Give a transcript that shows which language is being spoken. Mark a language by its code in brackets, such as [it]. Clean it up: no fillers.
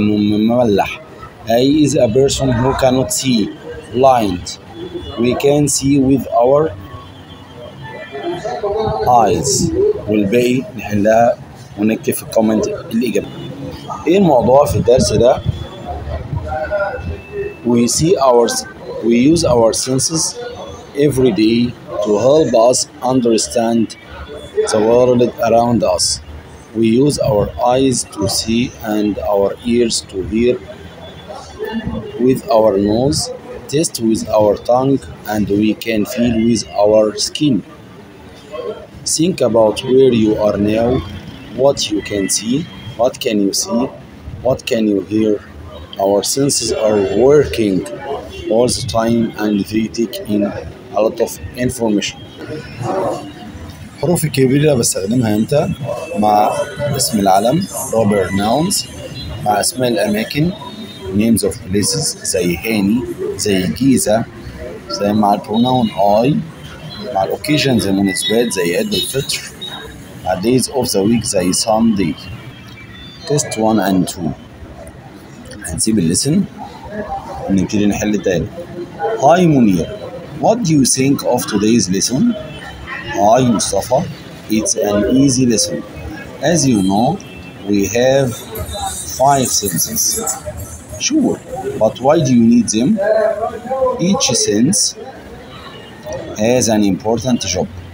[en] I is a person who cannot see. Blind. We can see with our eyes. Will be, [ar] ونكتب في الكومنت الإجابة إيه الموضوع في الدرس ده. [en] We see ours, we use our senses every day to help us understand the world around us. We use our eyes to see and our ears to hear, with our nose taste, with our tongue, and we can feel with our skin. Think about where you are now. What you can see, what can you see, what can you hear? Our senses are working all the time and they take in a lot of information. [ar] حروف كبيرة بستخدمها امتى؟ مع اسم العلم [en] proper nouns، [ar] مع اسماء الاماكن [en] names of places [ar] زي هاني زي جيزة، زي مع [en] pronoun I، [ar] مع occasions المناسبات زي عيد الفطر، [en] days of the week [ar] زي Sunday. [en] Test 1 and 2 [ar] هنسيب اللسن ونبتدي نحل التاني. [en] Hi Munir, what do you think of today's lesson? Hi Mustafa, it's an easy lesson. As you know, we have 5 senses. Sure, but why do you need them? Each sense has an important job.